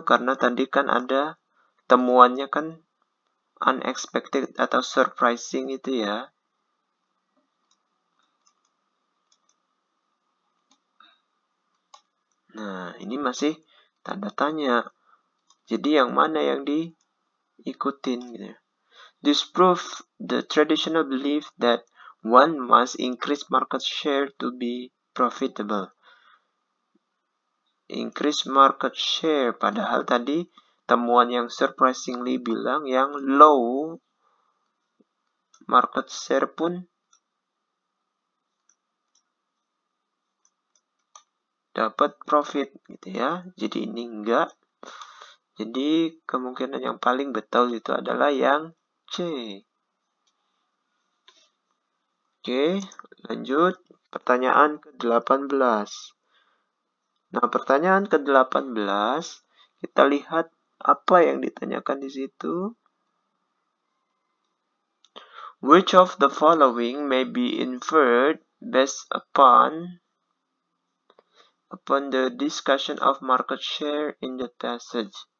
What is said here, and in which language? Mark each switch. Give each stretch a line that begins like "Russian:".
Indonesian: Karena tadi kan ada temuannya kan unexpected atau surprising itu ya. Nah, ini masih tanda tanya. Jadi yang mana yang diikutin gitu.
English: Disprove the traditional belief that one must increase market share to be profitable.
Indonesian: Increase market share, padahal tadi temuan yang surprisingly bilang yang low market share pun dapat profit gitu ya. Jadi ini enggak. Jadi kemungkinan yang paling betul itu adalah yang C. Oke, lanjut pertanyaan ke-18. Nah, pertanyaan ke-18, kita lihat apa yang ditanyakan di situ.
English: Which of the following may be inferred based upon the discussion of market share in the passage?